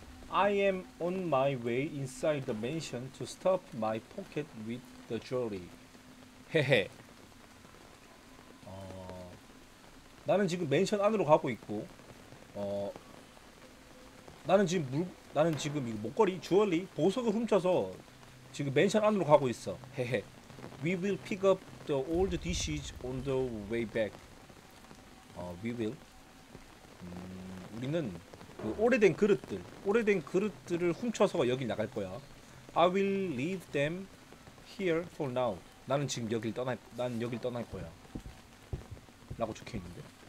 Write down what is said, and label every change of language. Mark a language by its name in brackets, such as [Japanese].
[English] I am on my way inside the mansion to stuff my pocket with the jewelry. 헤헤. [Korean] 나는 지금 맨션 안으로 가고 있고, 나는 지금 이거 목걸이, 주얼리, 보석을 훔쳐서 지금 맨션 안으로 가고 있어. 헤헤. [English] We will pick up the old dishes on the way back. We will. [Korean] 우리는 그 오래된 그릇들을 훔쳐서 여길 나갈 거야. [English] I will leave them here for now. [Korean] 나는 지금 여길 떠날 거야. 라고 적혀 있는데.